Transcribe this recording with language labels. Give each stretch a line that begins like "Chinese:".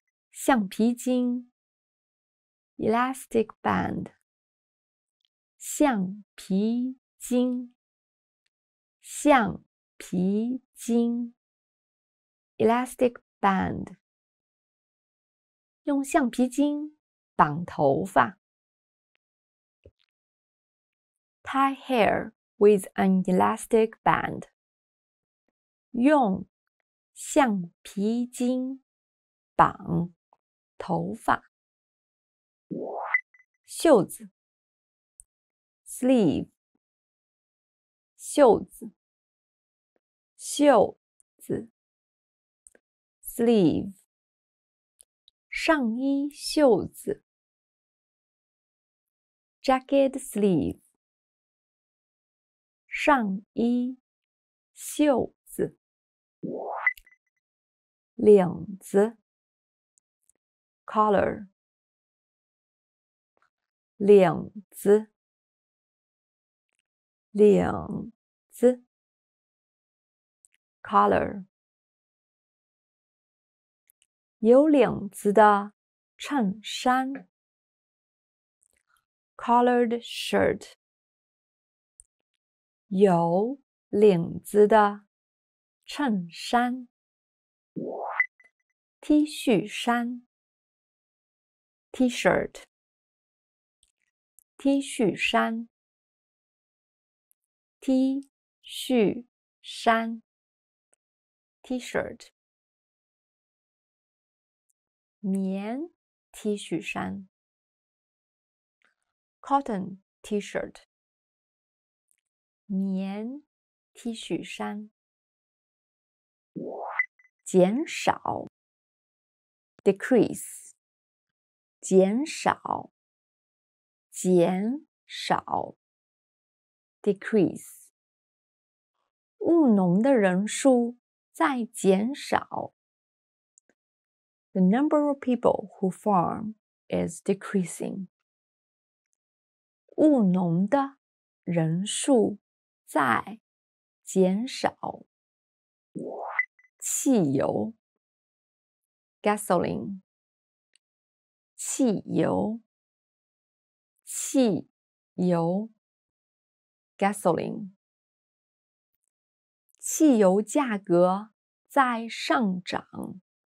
Chinese: 橡皮筋
English: elastic band，
Chinese: 橡皮筋，橡皮筋 elastic band， 用橡皮筋绑头发。
English: tie hair with an elastic band，
Chinese: 用橡皮筋绑头发。袖子 sleeve， 袖子，袖子 sleeve， 上衣袖子
English: jacket sleeve，
Chinese: 上衣袖子。领子 collar， 领子，领子 collar， 有领子的衬衫
English: collared shirt，
Chinese: 有领子的衬衫。 T 恤衫 T-shirt， T 恤衫， T 恤衫 T-shirt， 棉 T 恤衫
English: Cotton T-shirt，
Chinese: 棉 T 恤衫。减少decrease， 减少，减少 decrease， 务农的人数在减少。
English: The number of people who farm is decreasing，
Chinese: 务农的人数在减少。汽油gasoline， 汽油，汽油 gasoline， 汽油价格在上涨。